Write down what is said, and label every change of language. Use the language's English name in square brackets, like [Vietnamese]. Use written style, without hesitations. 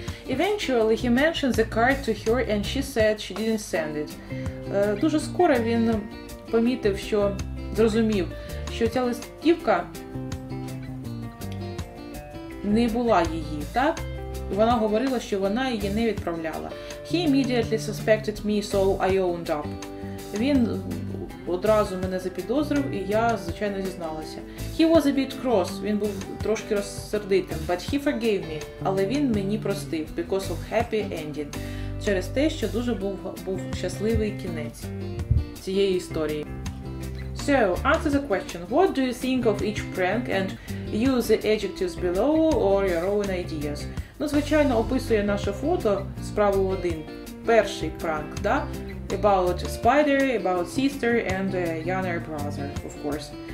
[English] Eventually, he mentioned the card to her, and she said she didn't send it. [Ukrainian] Дуже скоро він помітив, що зрозумів, що ця листівка не була її, так? Вона говорила, що вона її не відправляла. [English] He immediately suspected me, so I owned up. [Ukrainian] Він одразу мене запідозрив, і я, звичайно, зізналася. [English] He was a bit cross, [Ukrainian] він був трошки розсердитим, [English] but he forgave me. [Ukrainian] Але він мені простив, [English] because of happy ending. [Ukrainian] Через те, що дуже був щасливий кінець цієї історії. [English] So, answer the question. What do you think of each prank and use the adjectives below or your own ideas? [Ukrainian] Ну, звичайно, описує наше фото справу один. Перший пранк, да? [English] About spider, about sister and younger brother, of course.